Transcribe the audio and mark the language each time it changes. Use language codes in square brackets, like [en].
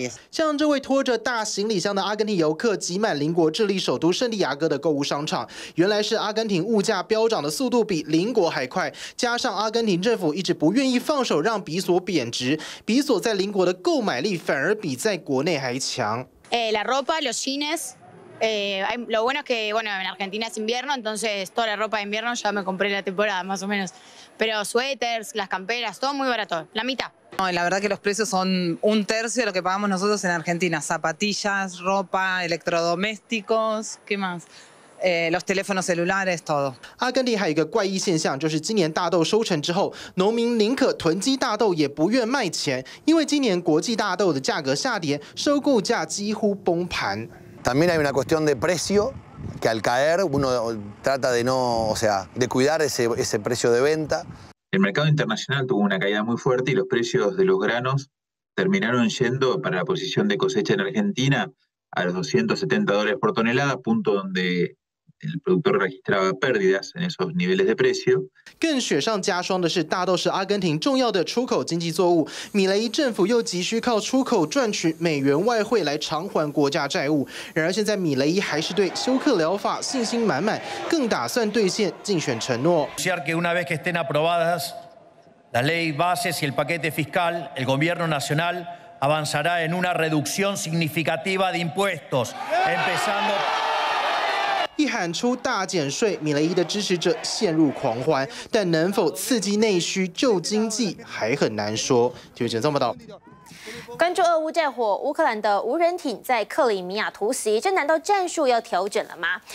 [zh] 像这位拖着大行李箱的阿根廷游客挤满邻国智利首都圣地亚哥的购物商场，原来是阿根廷物价飙涨的速度比邻国还快，加上阿根廷政府一直不愿意放手让比索贬值，比索在邻国的购买力反而比在国内还强。 [es] La ropa, los chinesLo bueno es que bueno, en Argentina es invierno, entonces toda la ropa de invierno ya me compré la temporada más o menos. Pero suéteres, las camperas, todo muy barato, la mitad. No, la verdad que los precios son un tercio de lo que pagamos nosotros en Argentina. Zapatillas, ropa, electrodomésticos, ¿qué más? los teléfonos celulares, todo. [zh] 阿根廷还有一个怪异现象，就是今年大豆收成之后，农民宁可囤积大豆也不愿卖钱，因为今年国际大豆的价格下跌，收购价几乎崩盘。 [es] También hay una cuestión de precio que al caer uno trata de no, o sea, de cuidar ese precio de venta. El mercado internacional tuvo una caída muy fuerte y los precios de los granos terminaron yendo para la posición de cosecha en Argentina a los $270 por tonelada, punto donde el productor registraba pérdidas en esos niveles de precio. [zh] 更雪上加霜的是，大豆是阿根廷重要的出口经济作物，米雷伊政府又急需靠出口赚取美元外汇来偿还国家债务。然而现在米雷伊还是对休克疗法信心满满，更打算兑现竞选承诺。 [es] Anunciar que una vez que estén aprobadas las leyes bases y el paquete fiscal, el gobierno nacional avanzará en una reducción significativa de impuestos, empezando. [zh] 一喊出大减税，米雷伊的支持者陷入狂欢，但能否刺激内需救经济还很难说。记者这么道。关注俄乌战火，乌克兰的无人艇在克里米亚突袭，这难道战术要调整了吗？